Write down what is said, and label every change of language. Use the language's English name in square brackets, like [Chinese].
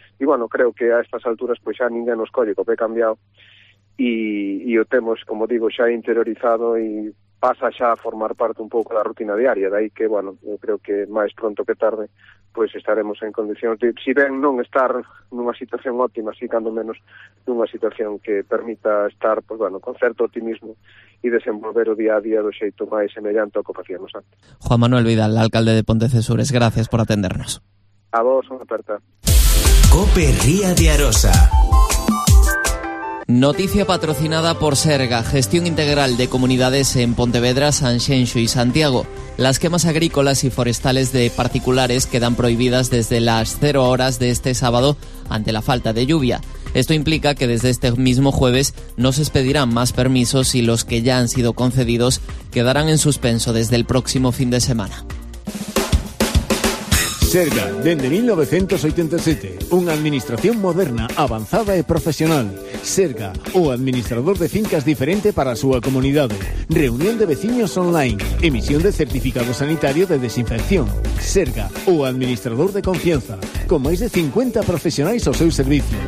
[Galician] E, bueno, creo que a estas alturas pues, xa ninguén nos colle, que [Spanish] he cambiado [Galician] e o temos, como digo, xa interiorizado e pasa xa a formar parte un pouco da rutina diaria. De aí que, bueno, eu creo que máis pronto que tarde pues estaremos en condición de, si ben non estar nunha situación óptima, si cando menos nunha situación que permita estar, pues bueno, con certo optimismo e desenvolver o día a día do xeito máis semellante ao que facíamos antes. [Spanish] Juan Manuel Vidal, alcalde de Pontecesures, gracias por atendernos. [Galician] A vos, unha aperta. [Spanish] COPE Ría de Arosa. Noticia patrocinada por Serga, gestión integral de comunidades en Pontevedra, Sanxenxo y Santiago. Las quemas agrícolas y forestales de particulares quedan prohibidas desde las 0 horas de este sábado ante la falta de lluvia. Esto implica que desde este mismo jueves no se expedirán más permisos y los que ya han sido concedidos quedarán en suspenso desde el próximo fin de semana. [Galician] Serga, dende 1987, unha administración moderna, avanzada e profesional. Serga, o administrador de fincas diferente para a súa comunidade. Reunión de veciños online, emisión de certificado sanitario de desinfección. Serga, o administrador de confianza, con máis de 50 profesionais ao seu servicio.